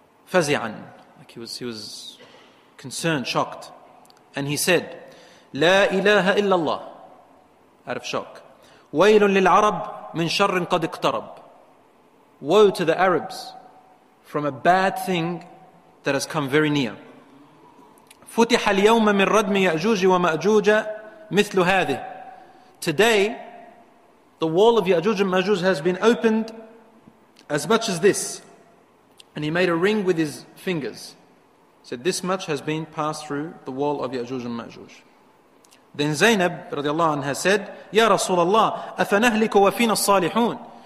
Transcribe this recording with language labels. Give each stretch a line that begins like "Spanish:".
English: Fazi'an, like he was concerned, shocked. And he said,
Arabic: لا إله إلا الله,
English: out of shock.
Arabic: ويل للعرب من شر قد اقترب.
English: Woe to the Arabs from a bad thing that has come very near.
Arabic: فتح اليوم من ردم يأجوج ومأجوج مثل هذه.
English: Today, the wall of Ya'juj and Ma'juj has been opened as much as this. And he made a ring with his fingers. He said, this much has been passed through the wall of Ya'juj and Ma'juj. Then Zainab radiallahu anha said, Ya Rasulallah,
Arabic: afanahliku wa fina salihun.